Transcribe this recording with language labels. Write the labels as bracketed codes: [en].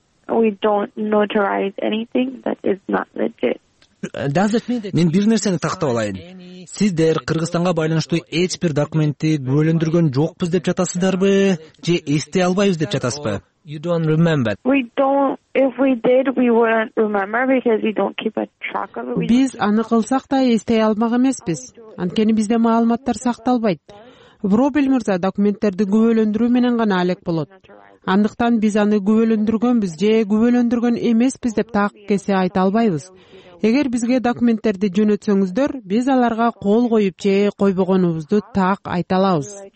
[en] We don't notarize anything that is not legit. [ky] Does it mean that мен бир нерсени тактап алайын. Сиздер Кыргызстанга байланыштуу эч бир документти күбөлөндүргөн жокпуз деп жатасыздарбы же эстей албайбыз деп жатасызбы? [en] You don't remember. We don't if we did we wouldn't remember because we don't keep a track of it. [ky] Биз аны кылсак да эстей алмак эмеспиз. Анткени бизде маалыматтар сакталбайт. Вробель мырза документтерди күбөлөндүрүү менен гана алек болот. Андыктан биз аны күбөлөндүргөнбүз же күбөлөндүргөн эмеспиз деп так кесе айта албайбыз. Эгер бизге документтерди жөнөтсөңүздөр, биз аларга кол коюп же койбогонубузду так айта алабыз.